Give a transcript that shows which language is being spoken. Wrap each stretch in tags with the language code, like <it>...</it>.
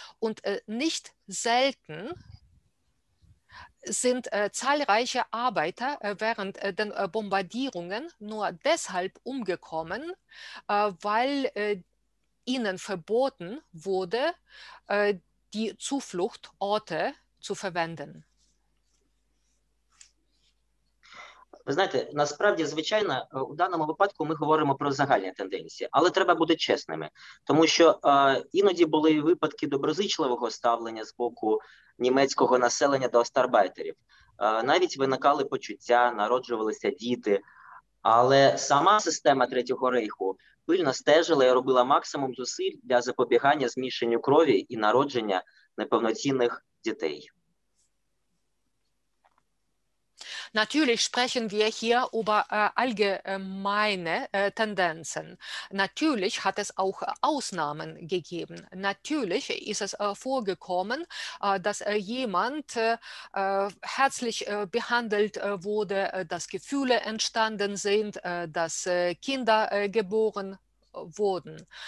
<de>Und nicht selten sind zahlreiche Arbeiter während den Bombardierungen nur deshalb umgekommen, weil ihnen verboten wurde, die Zufluchtorte zu verwenden.</de> <uk>Ви знаєте, насправді, звичайно, у даному випадку ми говоримо про загальні тенденції, але треба бути чесними, тому що іноді були випадки доброзичливого ставлення з боку німецького населення до остарбайтерів. Навіть виникали почуття, народжувалися діти, але сама система Третього рейху пильно стежила і робила максимум зусиль для запобігання змішанню крові і народження неповноцінних дітей.</uk> <de>Natürlich sprechen wir hier über allgemeine Tendenzen. Natürlich hat es auch Ausnahmen gegeben. Natürlich ist es vorgekommen, dass jemand herzlich behandelt wurde, dass Gefühle entstanden sind, dass Kinder geboren wurden.</de>